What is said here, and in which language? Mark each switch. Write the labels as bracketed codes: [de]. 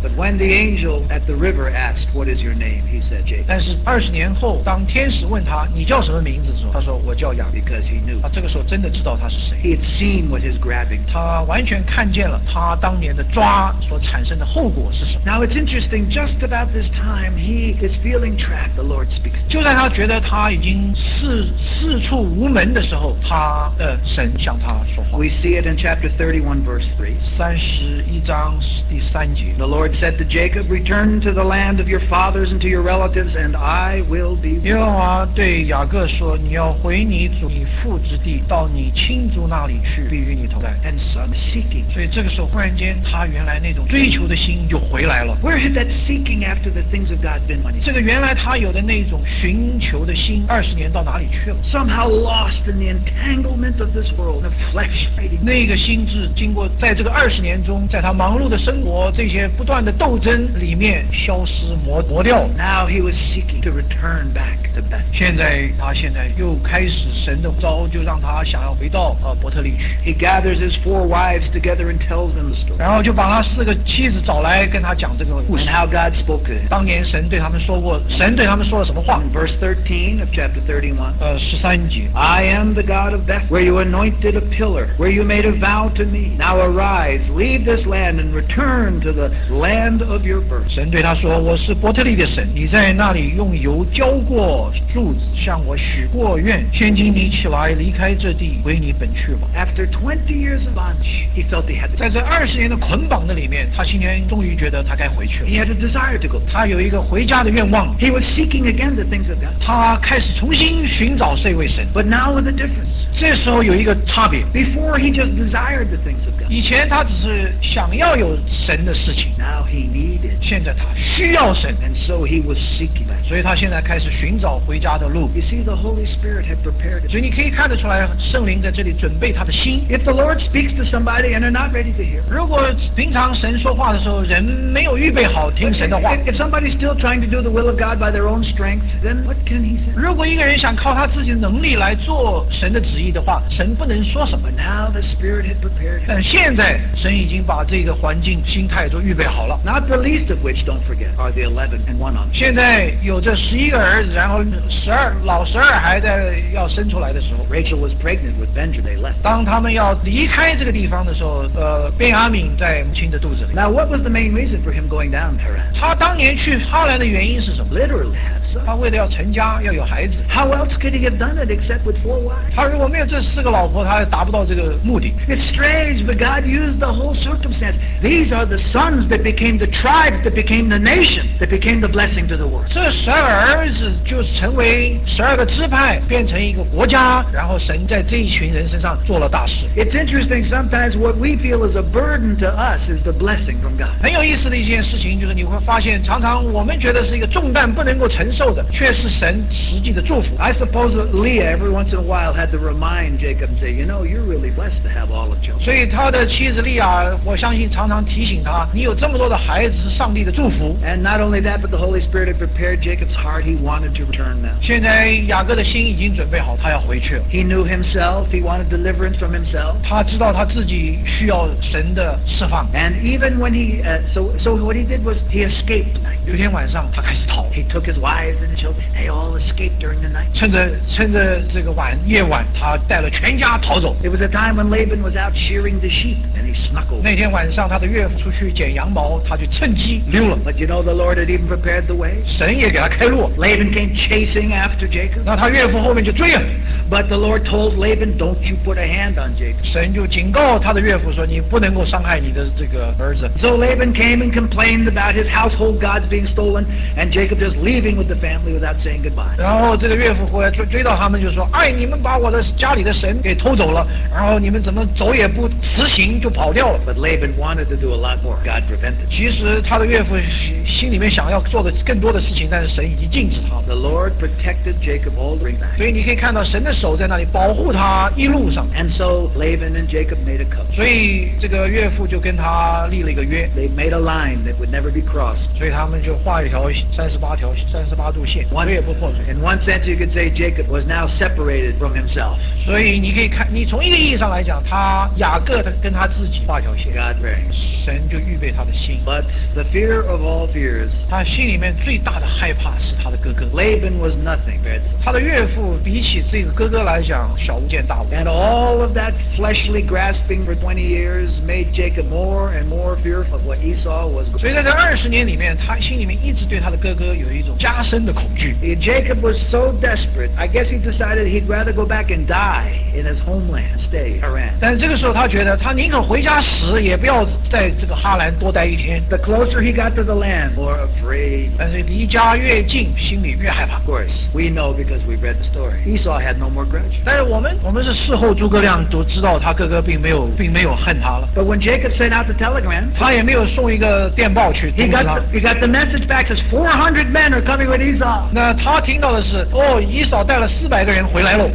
[en] But when the angel at the river asked, "What is your name?" he said, "Jacob." [zh] 但是二十年后，当天使问他你叫什么名字？他说我叫雅各。 [en] Because he knew. [zh] 他这个时候真的知道他是谁。 [en] He had seen what his grabbing. [zh] 他完全看见了他当年的抓所产生的后果是什么。 [en] Now it's interesting, just about this time, he is feeling trapped, the Lord speaks. [zh] 就在他觉得他已经四处无门的时候，神向他说话。 [en] We see it in chapter 31, verse 3. [zh] 31章第3节。 [en] The Lord said to Jacob, "Return to the land of your fathers and to your relatives, and I will be with [zh] 耶和华对雅各说你要回你父之地，到你亲族那里去，必与你同在。 [en] And some seeking. [zh] 所以这个时候，忽然间，他原来那种追求的心就回来了。 [en] Where had that seeking after the things of God been? [zh] 这个原来他有的那种寻求的心，二十年到哪里去了 [en] ？Somehow lost in the entanglement of this world, the flesh fighting. [zh] 那个心智经过在这个二十年中，在他忙碌的生活这些不断的斗争里面消失磨掉。 [en] Now he was seeking to return back to Bethlehem. [zh] 现在他现在又开始神的召，就让他想要回到伯特利去。 [en] He gathers his four wives together and tells them the story. [zh] 然后就把他四个妻子找来跟他讲这个故事。 [en] And how God spoke to him. [zh] 当年神对他们说过，神对他们说了什么话 [en] ？In verse 13 of chapter 31. [zh] 十三节。 [en] I am the God of Bethel, where you anointed a pillar, where you made a vow to me. Now arise, leave this land and return to the land of your birth. [zh] 神对他说，我是伯特利的神，你在那里用油浇过柱子，向我许过愿，现今你起来离开这地，归你本去吧。 [en] After 20 years of bondage, he felt he had to. [zh] 在这二十年的捆绑的里面，他今天终于觉得他该回去了。 [en] He had a desire to go. [zh] 他有一个回家的愿望。 [en] He was seeking again the things of God. [zh] 他开始重新寻找这位神。 [en] But now with a difference. [zh] 这时候有一个差别。 [en] Before he just desired the things of God. [zh] 以前他只是想要有神的事情。 [en] Now he needed. [zh] 现在他需要神。 [en] And so he was seeking back. [zh] 所以他现在开始寻找回家的路。 [en] You see, the Holy Spirit had prepared him. [zh] 所以你可以看得出来，圣灵在这里准备他的心。 [en] If the Lord speaks to somebody and they're not ready to hear. [zh] 如果平常神说话的时候，人没有预备好听神的话。 [en] If somebody's still trying to do the will of God by their own strength, then what can he say? [zh] 如果一个人想靠他自己的能力来做神的旨意的话，神不能说什么。 [en] But now the Spirit had prepared him. [zh] 但现在神已经把这个环境、心态都预备好了。 [en] Not the least of which, don't forget, are the 11 and one on. [zh] 现在有这十一个儿子，然后十二老十二还在要生出来的时候 [en] ，Rachel was pregnant with Benjamin. They left. [zh] 当他们要离开这个地方的时候，便雅悯在母亲的肚子里。 [en] Now what was the main reason for him going down, Haran? [zh] 他当年去哈兰的原因是什么 [en] ？Literally, have son. [zh] 他为了要成家，要有孩子。 [en] How else could he have done it except with four wives? [zh] 他如果没有这四个老婆，他也达不到这个目的。 [en] It's strange, but God used the whole circumstance. These are the sons that became the tribes, that became the nation, that became the blessing to the world. [zh] 这十二儿子就成为十二个支派，变成一个国家，然后神在这一群人身上做了大事。 [en] It's interesting. Sometimes what we feel is a burden to us is the blessing from God. [zh] 很有意思的一件事情就是你会发现，常常我们觉得是一个重担不能够承受的，却是神实际的祝福。 [en] I suppose Leah every once in a while had to remind Jacob and say, you know, you're really blessed to have all of children. [zh] 所以他的妻子利亚，我相信常常提醒他，你有这么多的孩子是上帝的祝福。 [en] And not only that, but the Holy Spirit had prepared Jacob's heart. He wanted to return now. [zh] 现在雅各的心已经准备好，他要回去了。 [en] He knew himself. He wanted deliverance from himself. [zh] 他知道他自己需要神的释放。 [en] And even when he what he did was he escaped. [zh] 有天晚上他开始逃。 [en] He took his wives and children. They all escaped during the night. [zh] 趁着这个夜晚，他带了全家逃走。 [en] It was a time when Laban was out shearing the sheep, and he snuck away. [zh] 那天晚上他的岳父出去剪羊毛，他就趁机溜了。 [en] But you know the Lord had even prepared the way. [zh] 神也给他开路。 [en] Laban came chasing after Jacob. [zh] 那他岳父后面就追了。 [en] But the Lord told Laban, "Don't you put a hand on Jacob." [zh] 神就警告他的岳父说，你不能够伤害你的这个儿子。 [en] So Laban came and complained about his household gods being stolen, and Jacob just leaving with the family without saying goodbye. [zh] 然后这个岳父回来追到他们就说，哎，你们把我的家里的神给偷走了，然后你们怎么走也不辞行就跑掉了。 [en] But Laban wanted to do a lot more. God prevented. [zh] 其实他的岳父心里面想要做的更多的事情，但是神已经禁止他。 [en] The Lord protected Jacob all the way back. [zh] 所以你可以看到神的手在那里保护他一路上。 [en] And so Laban and Jacob made a covenant. [zh] 所以这个岳父就跟他立了一个约。 [en] They made a line that would never be crossed. [zh] 所以他们就画一条38度线，谁也不破碎。 [en] In one sense, you could say Jacob was now separated from himself. [zh] 所以你可以看，你从一个意义上来讲，雅各跟他自己画条线。 [en] God willing, [zh] 神就预备他的心。 [en] But the fear of all fears, [zh] 他心里面最大的害怕是他的哥哥。 [en] Laban was nothing. [zh] 他的岳父比起这个哥哥来讲，小巫见大巫。 [en] And all of that fleshly grasping for 20 years made Jacob more and more fearful of what Esau was. [zh] 所以在这二十年里面，他心里面一直对他的哥哥有一种加深的恐惧。 [en] Jacob was so desperate. I guess he decided he'd rather go back and die in his homeland, stay Haran. [zh] 但是这个时候他觉得他宁可回家死，也不要在这个哈兰多待一天。 [en] The closer he got to the land, more afraid. [zh] 但是离家越近，心里越害怕。 [en] Of course, we know because we've read the story. Esau had no more grudge. [zh] 但是我们是事后诸葛亮都知道他哥哥并没有恨他了。 [en] But when Jacob sent out the telegram, [zh] 他也没有送一个电报去通知他。 [en] He got the message. message back says 400 men are coming with Esau. [zh] 那他听到的是，哦，以扫带了四百个人回来了。